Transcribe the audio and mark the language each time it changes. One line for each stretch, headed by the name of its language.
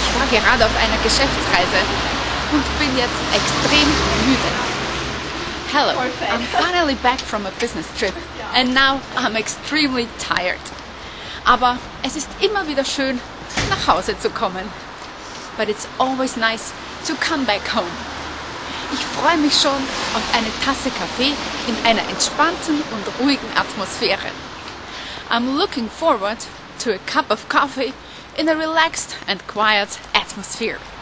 German: gerade auf einer Geschäftsreise und bin jetzt extrem müde.
English: Hello, I'm finally back from a business trip and now I'm extremely tired.
German: Aber es ist immer wieder schön, nach Hause zu kommen.
English: But it's always nice to come back home.
German: Ich freue mich schon auf eine Tasse Kaffee in einer entspannten und ruhigen Atmosphäre.
English: I'm looking forward to a cup of coffee in a relaxed and quiet atmosphere.